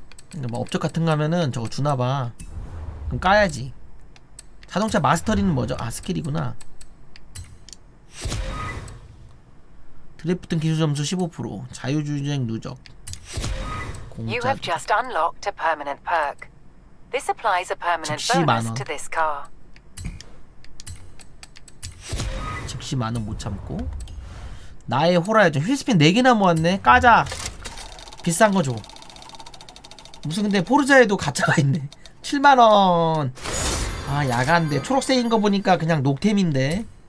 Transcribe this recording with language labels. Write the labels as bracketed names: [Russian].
[Korean] 근데 뭐 업적 같은 거 하면은 저거 주나 봐. 그럼 까야지. 자동차 마스터리는 뭐죠? 아, 스킬이구나. 드래프팅 기술 점수 15%, 자유주행 누적. 공짜. [English] You have just unlocked a permanent perk. This applies a permanent bonus to this car. [Korean] 즉시 만원 못 참고. 나의 호라이즌 휠스핀 네 개나 모았네. 까자. 비싼 거 줘. 무슨 근데 포르자에도 가짜가 있네. 7만원. 아 야간데 초록색인 거 보니까 그냥 녹템인데.